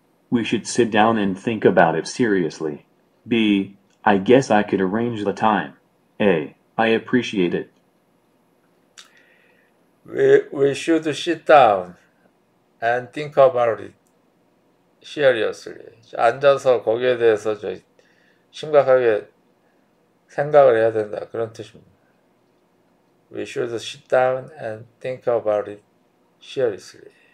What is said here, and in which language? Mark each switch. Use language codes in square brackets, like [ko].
[en] We should sit down and think about it seriously. B. I guess I could arrange the time. A. I appreciate it. We should sit down and think about it. Seriously. [ko] 앉아서 거기에 대해서 심각하게 생각을 해야 된다. 그런 뜻입니다. [en] We should sit down and think about it seriously.